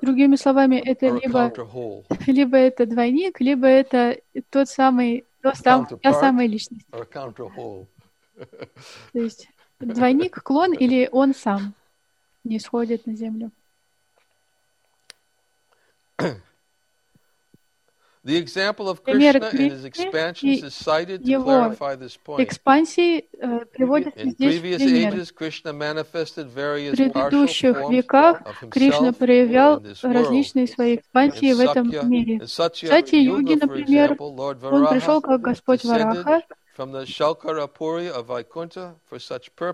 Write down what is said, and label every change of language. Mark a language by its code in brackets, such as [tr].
[ru] Другими словами, это либо это двойник, либо это тот самый, та самая личность. То есть двойник, клон, или он сам не сходит на землю. [en] The example of Krishna and his expansions is cited to clarify this point. [ru] Экспансии приводят здесь пример. [en] In previous ages, Krishna manifested various partial forms of himself. [ru] В предыдущих веках Кришна проявлял различные свои экспансии в этом мире. В Сатья-юге, например, он пришел как Господь Вараха. [en] From the Shalkarapuri of Vaikuntha for such purposes,